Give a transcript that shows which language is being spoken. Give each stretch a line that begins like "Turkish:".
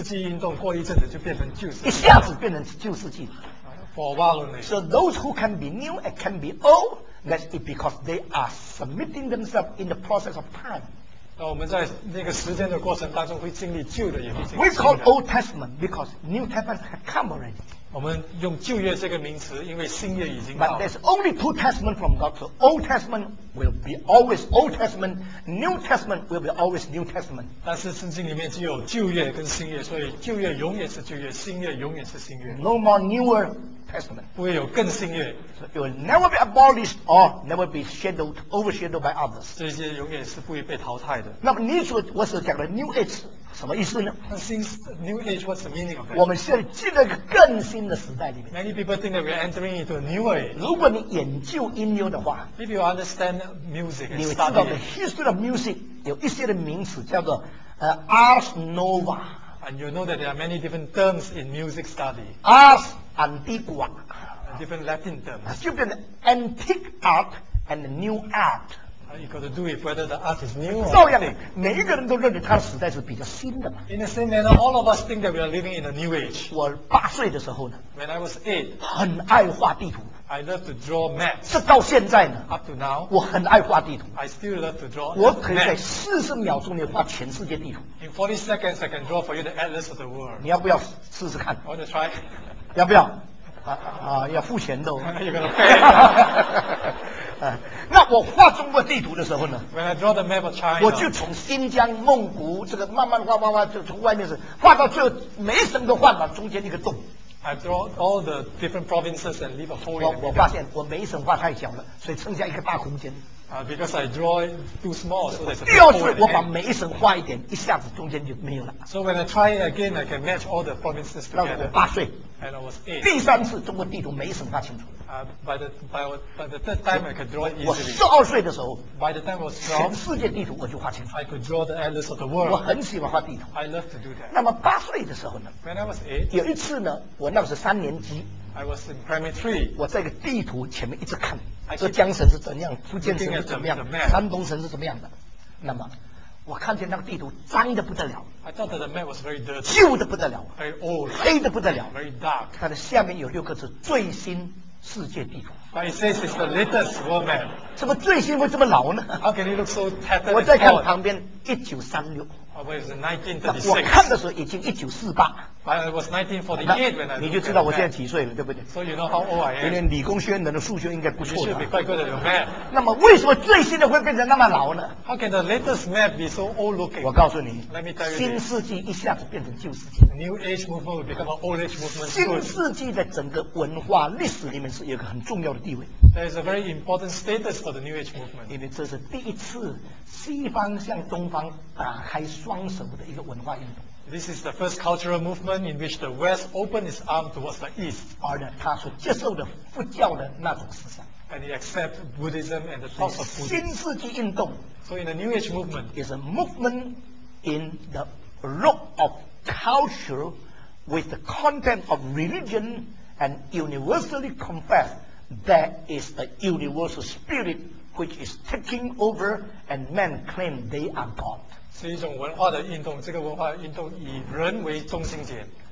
Chinese: 这个新世纪运动过一阵子就变成旧世纪。一下子变成旧世纪。
English: For a while only. So those who can be new and can be old, that's it because they are submitting themselves in the process of time.
Chinese: 那我们在那个时间的过程当中会经历旧的也会经历新的。
English: We call Old Testament because New Testament has come already.
Chinese: 我们用旧约这个名词，因为新约已经到了。
English: But there's only two Testament from God, so Old Testament will be always Old Testament, New Testament will be always New Testament.
Chinese: 但是圣经里面只有旧约跟新约，所以旧约永远是旧约，新约永远是新约。
English: No more newer Testament.
Chinese: 不会有更新约。
English: So it will never be abolished or never be shadowed, overshadowed by others.
Chinese: 这些永远是不会被淘汰的。那么你所我所讲的 New Age 什么意思呢？
English: New Age, what's the meaning of it?
Chinese: 我们现在进了一个更新的时代里面。
English: Many people think that we are entering into a new age.
Chinese: 如果你研究音乐的话，
English: If you understand music,
Chinese: 你会知道
English: the history of music
Chinese: 有一些的名词叫做 Ars Nova.
English: And you know that there are many different terms in music study. Ars Antiqua. Different Latin terms. It's different antique art and the new art. You got to do with whether the art is new or antique. In the same manner, all of us think that we are living in a new age. When I was 8,
Chinese: 很爱画地图。
English: I love to draw maps.
Chinese: 这到现在呢,
English: up to now,
Chinese: 我很爱画地图。
English: I still love to draw maps.
Chinese: 我可以在40秒钟里画全世界地图。
English: In 40 seconds, I can draw for you the atlas of the world.
Chinese: 你要不要试试看?
English: I want to try.
Chinese: 要不要?要付钱的哦。
English: You're gonna pay.
Chinese: 那我画中国地图的时候呢，
English: When I draw the map of China,
Chinese: 我就从新疆、蒙古这个慢慢画，就从外面是画到最后每一省都画满中间一个洞。
English: I draw all the different provinces and leave a hole in the middle.
Chinese: 我发现我每一省画太小了，所以剩下一个大空间。
English: Because I draw it too small, so there's a big hole.
Chinese: 第二次我把每一省画一点，一下子中间就没有了。
English: So when I try it again, I can match all the provinces together.
Chinese: 那我八岁。
English: And I was 8.
Chinese: 第三次中国地图每一省画清楚。
English: By the third time, I could draw it easily.
Chinese: 我12岁的时候，
English: By the time I was 12,
Chinese: 全世界地图我就画清楚。
English: I could draw the atlas of the world.
Chinese: 我很喜欢画地图。
English: I love to do that.
Chinese: 那么八岁的时候呢，
English: When I was 8,
Chinese: 有一次呢， 我那时3年级，
English: I was in primary 3.
Chinese: 我在一个地图前面一直看， 这江省是怎样，福建省是怎么样，山东省是怎么样的。那么我看见那个地图脏得不得了。
English: I thought that the map was very dirty.
Chinese: 旧得不得了。
English: Very old.
Chinese: 黑得不得了。
English: Very dark.
Chinese: 它的下面有6个字，最新。世界地图。
English: But it says it's the latest world map.
Chinese: 怎么最新会这么老呢？
English: How can it look so tattered?
Chinese: 我在看旁边 1936。
English: Was it 1936?
Chinese: 我看的时候已经1948。
English: But it was 1948 when I looked at.
Chinese: 你就知道我现在几岁了，对不对？
English: So you know how old I am.
Chinese: 因为理工学院的数学应该不错的。
English: You should be quite good at your map.
Chinese: 那么为什么最新的会变成那么老呢？
English: How can the latest map be so old looking?
Chinese: 我告诉你，
English: Let me tell you,
Chinese: 新世纪一下子变成旧世纪。
English: New age movement will become an old age movement.
Chinese: 新世纪的整个文化历史里面是有一个很重要的地位。
English: There is a very important status for the New Age movement.
Chinese: 因为这是第一次西方向东方打开双手的一个文化运动。
English: This is the first cultural movement in which the West opened its arm towards the East.
Chinese: 而呢，他所接受的佛教的那种思想。
English: and he accepts Buddhism and the thoughts of Buddhism.
Chinese: 新世纪运动,
English: so in the New Age movement, is a movement in the rock of culture with the content of religion and universally confess that is the universal spirit which is taking over and men claim they are God.
Chinese: 是一种文化的运动，这个文化运动以人为中心点。